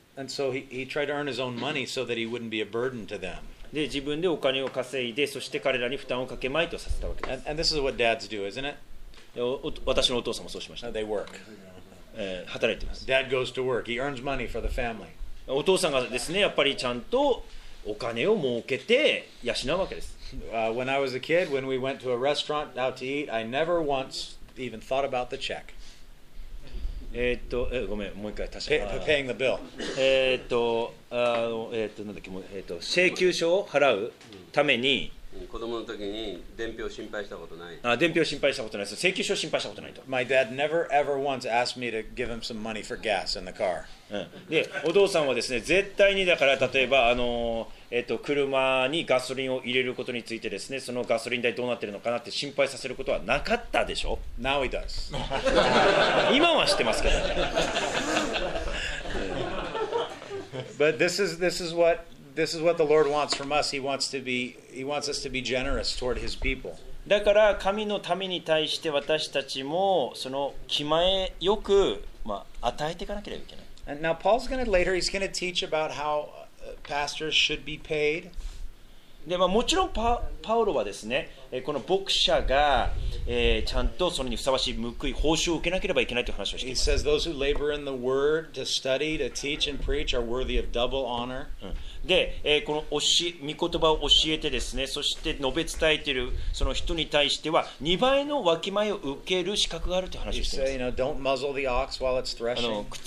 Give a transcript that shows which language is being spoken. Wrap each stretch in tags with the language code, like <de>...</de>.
<en>And so he tried to earn his own money so that he wouldn't be a burden to them.</en> <ja>で、自分でお金を稼いで、そして彼らに負担をかけまいとさせたわけです。</ja> <en>And this is what dads do, isn't it?</en> <ja>私のお父さんもそうしました。</ja> <en>They work.</en> <ja>働いてます。</ja> <en>Dad goes to work. He earns money for the family.</en> <ja>お父さんがですね、やっぱりちゃんとお金を儲けて養うわけです。</ja> <en>When I was a kid, when we went to a restaurant out to eat, I never once even thought about the check.</en> <ja>ごめん、もう一回確</ja> <en>か。Paying the bill.</en> <ja>請求書を払うために。子供の時に伝票心配したことない。あ、伝票心配したことないです。請求書心配したことないと。</ja> <en>My dad never ever once asked me to give him some money for gas in the car.</en> <ja>で、お父さんはですね、絶対にだから例えば車にガソリンを入れることについてですね、そのガソリン代どうなってるのかなって心配させることはなかったでしょ。</ja> <en>Now he does.</en> <ja>今は知ってますけどね。</ja> <en>But this is what the Lord wants from us. He wants us to be generous toward his people.</en> <ja>だから神の民に対して私たちもその気前よく、まあ、与えていかなければいけない。</ja> <en>And now Paul's going to later, he's going to teach about howPastors should be paid.</en> <ja>で、まあ、もちろん パウロはですね、この牧者が、ちゃんとそれにふさわしい報い、報酬を受けなければいけないという話をしています。</ja> <en>He says those who labor in the word to study, to teach and preach are worthy of double honor.、</en> <ja>うん、で、この御言葉を教えてですね、そして述べ伝えているその人に対しては、2倍のわきまえを受ける資格があるという話をしています。</ja> <en>He says, you know, don't muzzle the ox while it's threshing.</en>